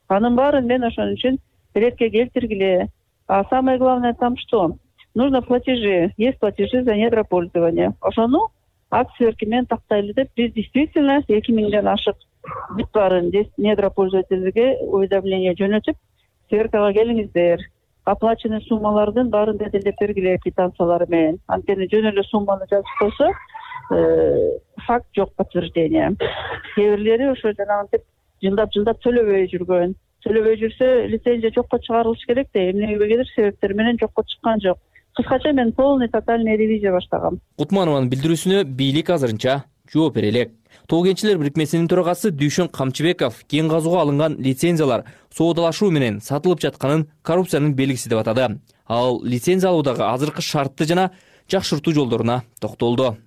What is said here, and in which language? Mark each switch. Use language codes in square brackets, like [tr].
[ky] Анын баарын мен ошон үчүн ретке келтиргиле. [ru] А самое главное там что? Нужно платежи, есть платежи за недропользование. [ky] Ошону акциерки менен тактайлы деп, биз действительно 2000 ашык бутларын недропользователге уведомление жөнөтүп, сверкага келиңиздер. Оплаченный суммалардын баарын беделдеп бергиле квитанциялар менен. Анткени жөн эле сумманы жазып койсо, факт жок подтверждение. Кээ бирлери ошо жанагынтип жылдап-жылдап төлөбөй жүргөн. Төлөбөй жүрсө лицензия жокко чыгарылыш керек да, эмнеге келир себептер менен жокко чыккан жок. Кыскача мен полный тотальный ревизия баштагам. Кутманованын билдирүүсүнө бийлик азырынча жооп бере элек. Тоо кенчилер бирикмесинин төрагасы Дүйшөн Камчыбеков кен казууга алынган лицензиялар соодалашуу менен сатылып жатканын коррупциянын белгиси деп атады. Ал лицензия алуудагы азыркы шартты жана жакшыртуу жолдоруна токтолду.